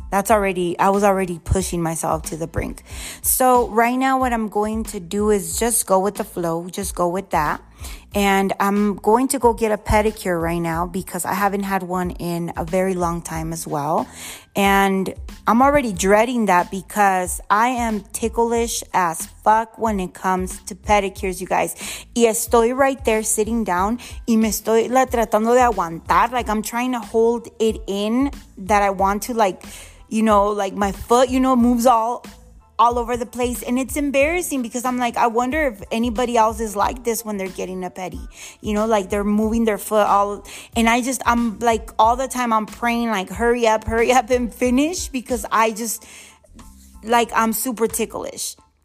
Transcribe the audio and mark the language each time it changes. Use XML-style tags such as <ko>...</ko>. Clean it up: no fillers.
<en>I was already pushing myself to the brink. So right now what I'm going to do is just go with the flow, just go with that. And I'm going to go get a pedicure right now because I haven't had one in a very long time as well. And I'm already dreading that because I am ticklish as fuck when it comes to pedicures, you guys.</en> <es>Y estoy</es> <en>right there sitting down</en> <es>y me estoy tratando de aguantar.</es> <en>Like, I'm trying to hold it in that I want to, like, you know, like my foot, you know, moves all over the place. And it's embarrassing because I'm like, I wonder if anybody else is like this when they're getting a pedi, you know, like they're moving their foot all. And I'm like all the time I'm praying, like, hurry up and finish, because I just, like, I'm super ticklish.</en>